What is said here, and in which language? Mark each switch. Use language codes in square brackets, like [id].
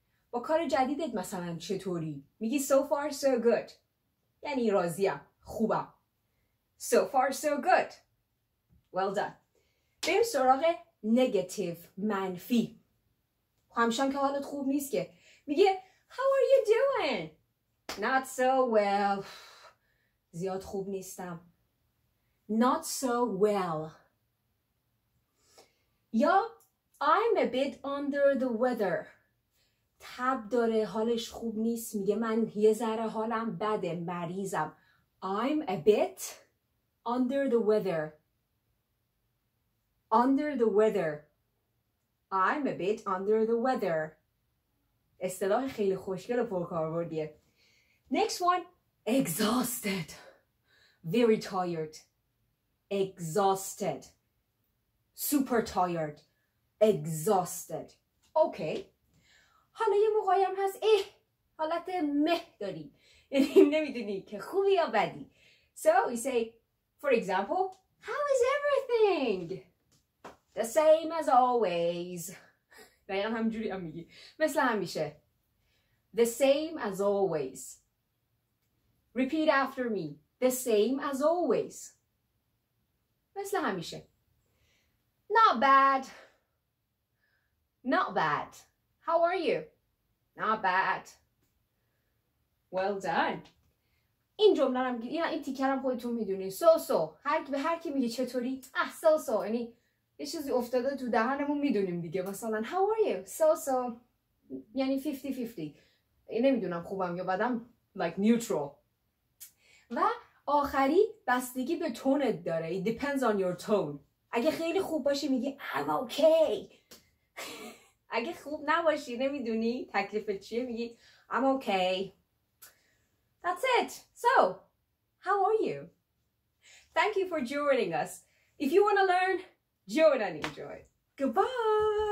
[fa] با کار جدیدت مثلا چطوری؟ میگی [en] so far so good. [fa] یعنی راضیم، خوبم. [en] So far, so good. Well done. [fa] بریم سراغ نگتیو، منفی. همشان که حالت خوب نیست که. میگه [en] How are you doing? Not so well. [fa] زیاد خوب نیستم. [en] Not so well. [fa] یا [en] I'm a bit under the weather. [fa] تب داره، حالش خوب نیست، میگه من یه ذره حالم بده، مریضم. [en] I'm a bit under the weather. Under the weather. I'm a bit under the weather. [fa] اصطلاح خیلی خوشگل و پرکاربردیه. [en] Next one. Exhausted. Very tired. Exhausted. Super tired. Exhausted. Okay. [fa] حالا یه موقعی هم هست ای حالت مه داری، یعنی نمیدونی که خوبی یا بدی. [en] So we say, for example, how is everything? The same as always. [fa] دقیقا همجوری هم میگی، مثل همیشه. [en] The same as always. Repeat after me. The same as always. [fa] مثل همیشه. [en] Not bad. Not bad. How are you? Not bad. Well done. [fa] این جمله رو میگی، این تیکر رو خودتون میدونید. [en] So. [fa] هر کی میگه چطوری؟ [en] So. [fa] یعنی یه چیزی افتاده تو دهنمون میدونیم دیگه. مثلا [en] How are you? So. [fa] یعنی 50-50. نمیدونم خوبم یا بدم. [en] Like neutral. [fa] و آخری بستگی به تونت داره. [en] It depends on your tone. [fa] اگه خیلی خوب باشی میگی [en] I'm okay. [fa] اگه خوب نباشی نمیدونی تکلیفت چیه میگی I'm okay. [en] That's it. So, how are you? Thank you for joining us. If you want to learn, join and enjoy. Goodbye.